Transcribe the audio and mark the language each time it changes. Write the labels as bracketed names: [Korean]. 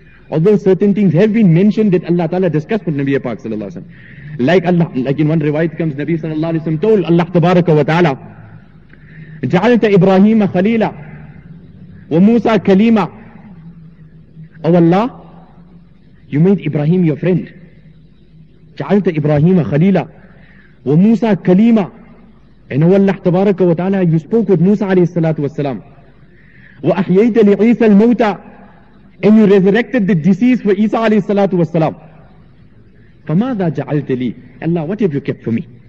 [English] Although certain things have been mentioned that Allah Ta'ala discussed with Nabi Pak sallallahu alayhi wa sallam. Like Allah, like in one riwayat comes, Nabi sallallahu alayhi wa sallam told Allah tabaraka wa ta'ala, [Arabic] جعلت إبراهيم خليلا وموسى كليما. [English] Oh Allah, you made Ibrahim your friend. [Arabic] جعلت إبراهيم خليلا وموسى كليما. [English] And oh Allah, تبارك وتعالى, you spoke with Musa عليه الصلاة والسلام. [Arabic] وأحييت لعيسى الموتى. [English] And you resurrected the deceased for Isa عليه الصلاة والسلام. [Arabic] فماذا جعلت لي? [English] Allah, what have you kept for me?